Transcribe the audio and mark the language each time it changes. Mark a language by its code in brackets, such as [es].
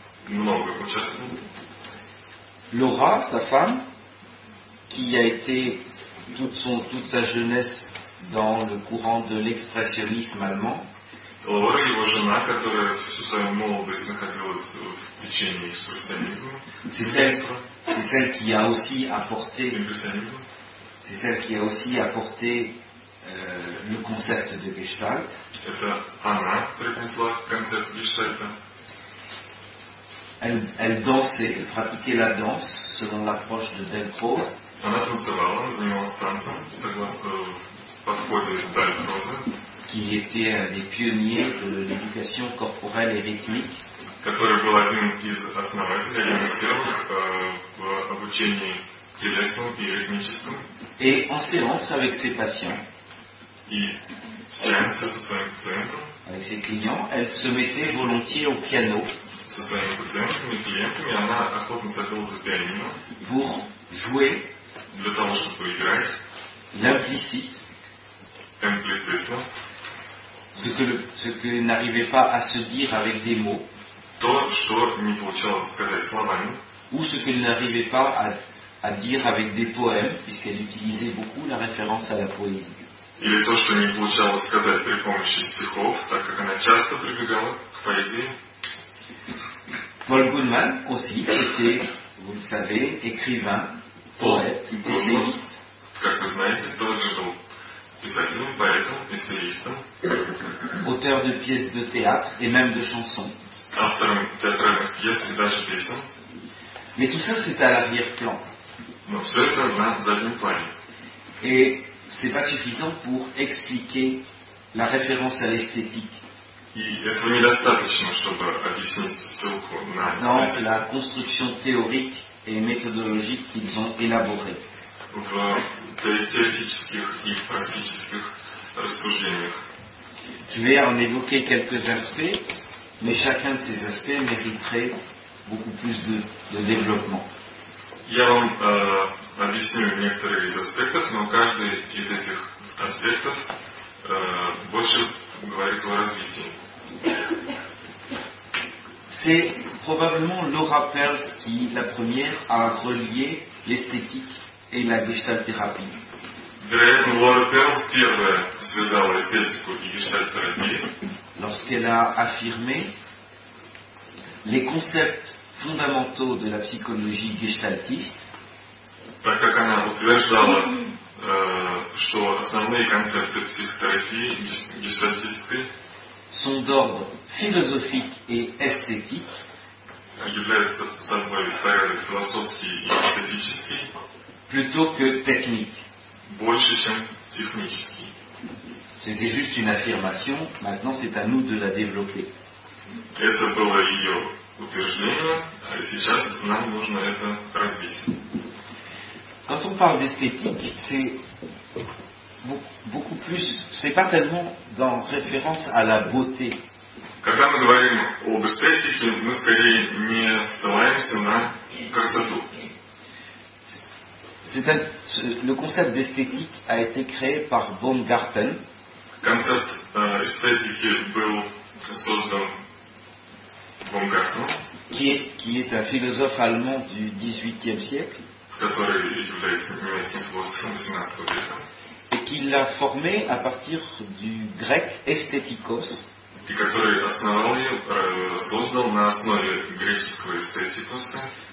[ru] Много участвовал. [fr] Laura, sa femme, qui a été toute sa jeunesse dans le courant de l'expressionnisme allemand. [ru] Лора, его жена, которая всю свою молодость находилась в течение течение экспрессионизма. [fr] C'est celle qui a aussi apporté le concept de Gestalt. [ru] Это она принесла концепт Гештальта. [fr] Elle dansait, elle pratiquait la danse selon l'approche de Delprose. [ru] Она танцевала, занималась танцем согласно подходу Дельпроза, [fr] qui était un des pionniers de l'éducation corporelle et rythmique. [ru] Который был одним из основателей, одним из первых в обучении телесному и ритмическому. [fr] Et en séance avec ses patients. [ru] И в séance со своим пациентом. [fr] Avec ses clients, elle se mettait volontiers au piano. [ru] Со своими пациентами, клиентами, она охотно садилась за пианино. [fr] Pour jouer. [ru] Для того, чтобы играть. [fr] L'implicite. Implicite. Ce que n'arrivait pas à se dire avec des mots. [ru] То, что не получалось сказать словами. [fr] Ou ce qu'elle n'arrivait pas à dire avec des poèmes, puisqu'elle utilisait beaucoup la référence à la poésie. [ru] Или то, что не получалось сказать при помощи стихов, так как она часто прибегала к поэзии. [fr] Paul Goodman aussi était, vous le savez, écrivain, poète, essayiste. [ru] Как вы знаете, тот же был писателем, поэтом, эссеистом. [fr] Auteur de pièces de théâtre et même de chansons. [ru] Автором театральных пьес и даже песен. [fr] Mais tout ça, c'est à l'arrière-plan. [ru] Но все это на заднем плане. [fr] Et c'est pas suffisant pour expliquer la référence à l'esthétique. [ru] И этого недостаточно, чтобы объяснить ссылку на [fr] Dans la construction théorique et méthodologique qu'ils ont élaborée. [ru] В теоретических и практических рассуждениях. [fr] Je vais en évoquer quelques aspects. Mais chacun de ces aspects mériterait beaucoup plus de développement. [ru] Я вам объясню некоторые из аспектов, но каждый из этих аспектов больше говорит о развитии. [fr] C'est probablement Laura Perls qui la première a relié l'esthétique et la gestalt-thérapie. [ru] Вероятно, Лора Перлс первая связала эстетику и гештальт-терапию. [fr] Lorsqu'elle a affirmé les concepts fondamentaux de la psychologie gestaltiste, [ru] так как она утверждала, что основные концепты психотерапии гештальтистской [fr] sont d'ordre philosophique et esthétique, [ru] являются собой порядок философский и эстетический, [fr] plutôt que technique, [ru] больше, чем технический. [fr] C'était juste une affirmation, maintenant c'est à nous de la développer. [ru] Это было ее утверждение, а сейчас нам нужно это развить. [fr] Quand on parle d'esthétique, c'est beaucoup plus, c'est pas tellement dans référence à la beauté. [ru] Когда мы говорим об эстетике, мы скорее не ссылаемся на красоту. [fr] Le concept d'esthétique a été créé par Baumgarten. [ru] Концепт эстетики был создан Baumgarten, [fr] qui est un philosophe allemand du XVIIIe siècle, [ru] который является немецким философом XVIII века, [fr] et qui l'a formé à partir du grec esthetikos, [ru] и который основал ее, создал на основе греческого эстетикоса,